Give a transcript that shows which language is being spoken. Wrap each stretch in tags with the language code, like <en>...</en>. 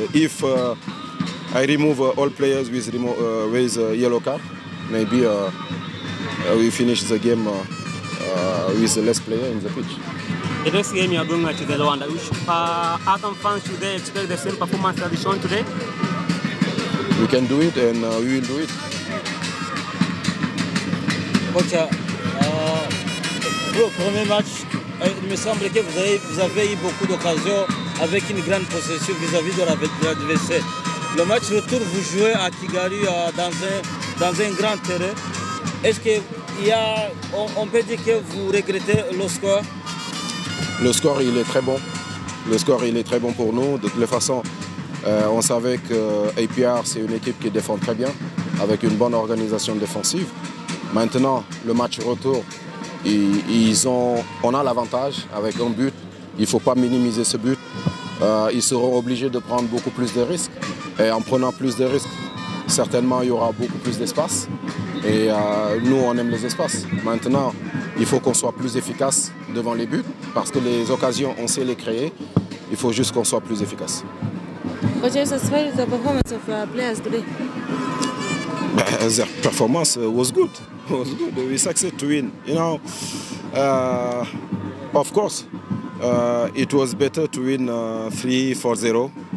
<en>If I remove all players with yellow card, maybe we finish the game with less players in the pitch. The next game you are going to the Rwanda. Azam fans, should they expect the same performance that is shown today? We can do it and we will do it.</en> <fr>Coach, le premier match, il me semble que vous avez eu beaucoup d'occasions avec une grande possession vis-à-vis de l'adversaire. Le match retour, vous jouez à Kigali dans un grand terrain. Est-ce que on peut dire que vous regrettez le score? Le score, il est très bon. Le score, il est très bon pour nous. De toute façon, on savait que APR, c'est une équipe qui défend très bien, avec une bonne organisation défensive. Maintenant, le match retour, on a l'avantage avec un but. Il ne faut pas minimiser ce but. Ils seront obligés de prendre beaucoup plus de risques. Et en prenant plus de risques, certainement, il y aura beaucoup plus d'espace. Et nous, on aime les espaces. Maintenant, il faut qu'on soit plus efficace devant les buts, parce que les occasions, on sait les créer. Il faut juste qu'on soit plus efficace.</fr> <en>What is the performance of our players today? Their performance was good. Was good. We succeeded to win. You know, of course, it was better to win 3-4-0.</en>